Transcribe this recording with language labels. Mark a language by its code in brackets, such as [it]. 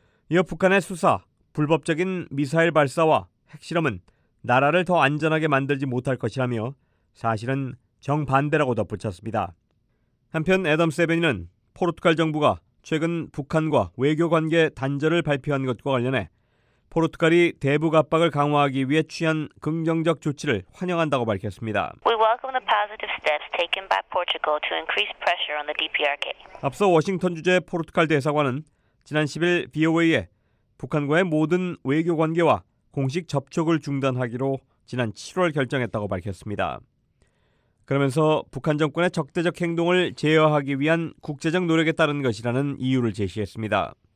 [ko] 이어 북한의 수사, 불법적인 미사일 발사와 핵실험은 나라를 더 안전하게 만들지 못할 것이라며 사실은 정반대라고 덧붙였습니다. 한편 애덤스 대변인은 포르투갈 정부가 최근 북한과 외교관계 단절을 발표한 것과 관련해 포르투갈이 대북 압박을 강화하기 위해 취한 긍정적 조치를 환영한다고 밝혔습니다. [en] We welcome the positive steps taken by Portugal to increase pressure on the DPRK. [ko] 앞서 워싱턴 주재 포르투갈 대사관은 지난 10일 BOA에 북한과의 모든 외교 관계와 공식 접촉을 중단하기로 지난 7월 결정했다고 밝혔습니다. 그러면서 북한 정권의 적대적 행동을 제어하기 위한 국제적 노력에 따른 것이라는 이유를 제시했습니다.